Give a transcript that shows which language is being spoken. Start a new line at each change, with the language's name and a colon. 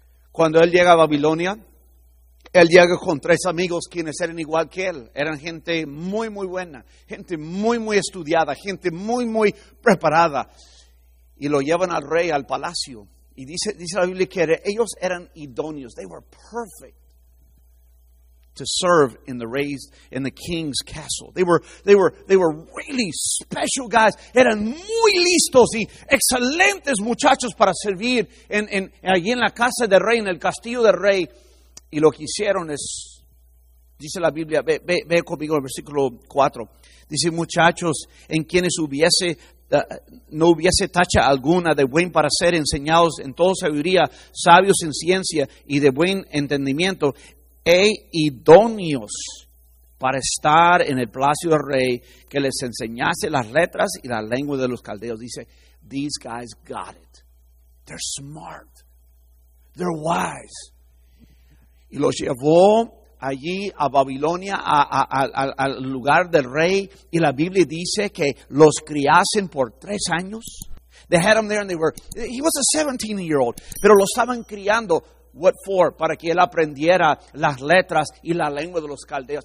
Spanish: Cuando él llega a Babilonia, él llega con tres amigos quienes eran igual que él. Eran gente muy, muy buena, gente muy, muy estudiada, gente muy, muy preparada. Y lo llevan al rey, al palacio. Y dice la Biblia que ellos eran idóneos.
English: They were perfect to serve in the king's castle. They were really special guys.
Spanish: Eran muy listos y excelentes muchachos para servir allí en la casa del rey, en el castillo del rey. Y lo que hicieron es, dice la Biblia, ve conmigo el versículo 4. Dice, muchachos, en quienes hubiese no hubiese tacha alguna de buen para ser enseñados en toda sabiduría, sabios en ciencia y de buen entendimiento, e idóneos para estar en el palacio del rey, que les enseñase las letras y la lengua de los caldeos.
English: Dice, these guys got it. They're smart. They're wise.
Spanish: Y los llevó allí a Babilonia, al lugar del rey, y la Biblia dice que los criasen por 3 años.
English: They had him there and he was a 17-year-old,
Spanish: pero lo estaban criando,
English: what for?
Spanish: Para que él aprendiera las letras y la lengua de los caldeos.